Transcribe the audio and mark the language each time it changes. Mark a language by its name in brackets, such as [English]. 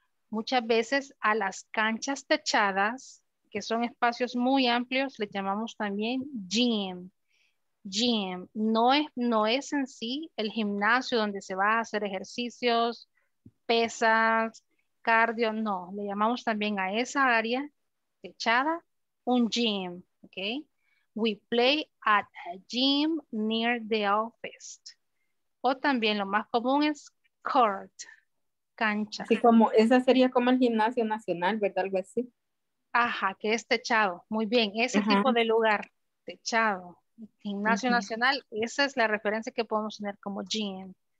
[Spanish] Muchas veces a las canchas techadas, que son espacios muy amplios, le llamamos también gym. Gym. No es en sí el gimnasio donde se va a hacer ejercicios, pesas, cardio. No, le llamamos también a esa área techada un gym. Okay? [English] We play at a gym near the office. [Spanish] O también lo más común es court, cancha. Así como, esa sería como el gimnasio nacional, ¿verdad? Algo así. Ajá, que es techado. Muy bien, ese tipo de lugar, techado. Gimnasio nacional, esa es la referencia que podemos tener como gym.